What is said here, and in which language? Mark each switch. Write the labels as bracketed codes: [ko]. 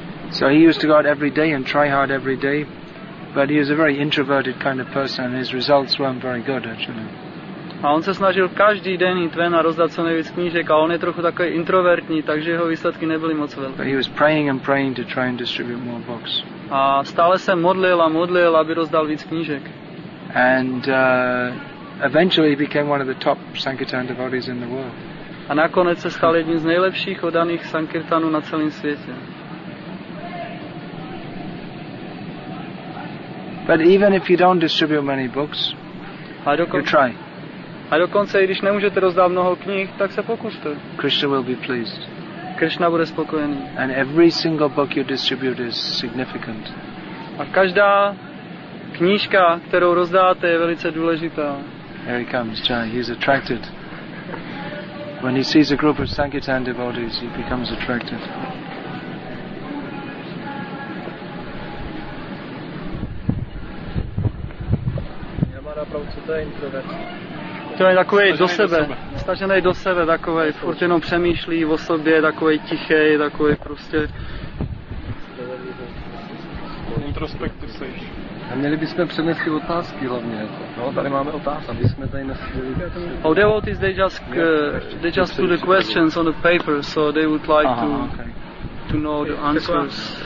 [en] So he used to go out every day and try hard every day, but he was a very introverted kind of person and his results weren't very good actually. [cs] A on se snažil každý den jít ven a rozdat co nejvíc knížek a on je trochu takový introvertní, takže jeho výsledky nebyly moc velké. [en] But he was praying and praying to try and distribute more books. [cs] A stále se modlil a modlil, aby rozdal víc knížek. [en] And eventually he became one of the top Sankirtan devotees in the world. [cs] A nakonec se stal jedním z nejlepších odaných Sankirtanů na celém světě. [en] But even if you don't distribute many books, you try. [cs] A dokonce, i když nemůžete rozdát mnoho knih, tak se pokuste. [en] Krishna will be pleased. [cs] Krishna bude spokojený. [en] And every single book you distribute is significant. [cs] A každá knížka, kterou rozdáte, je velice důležitá. [en] Here he comes, Jai. He's attracted. When he sees a group of Sankirtan devotees, he becomes attracted. [cs] opravdu, co to je introvert? To je takový do sebe, staženej do sebe, takový furt jenom přemýšlí o sobě, takový tichý, takový prostě. Introspektiv. A měli bychom přemýšlet otázky hlavně. No, tady máme otázky. Aby jsme tady nesměli. [en] Our devotees, they just put the questions on the paper, so they would like to know the answers.